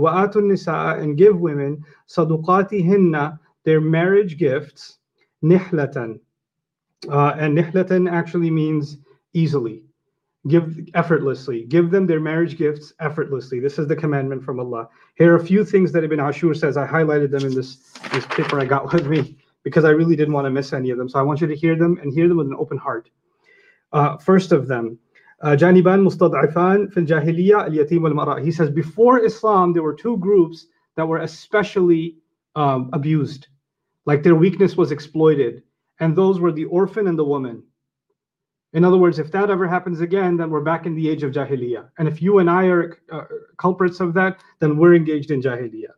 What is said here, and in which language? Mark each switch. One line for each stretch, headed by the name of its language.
Arabic: وَآتُوا النِّسَاءَ
English: and give women
Arabic: صَدُقَاتِهِنَّ
English: their marriage gifts نِحْلَةً and نِحْلَةً actually means easily. Give effortlessly. Give them their marriage gifts effortlessly. This is the commandment from Allah. Here are a few things that Ibn Ashur says. I highlighted them in this paper I got with me because I really didn't want to miss any of them. So I want you to hear them and hear them with an open heart. First of them,
Arabic: جانبان مستضعفان في الجاهلية اليتيم والمرأة.
English: He says, before Islam, there were two groups that were especially abused. Like their weakness was exploited. And those were the orphan and the woman. In other words, if that ever happens again, then we're back in the age of Jahiliyyah. And if you and I are culprits of that, then we're engaged in Jahiliyyah.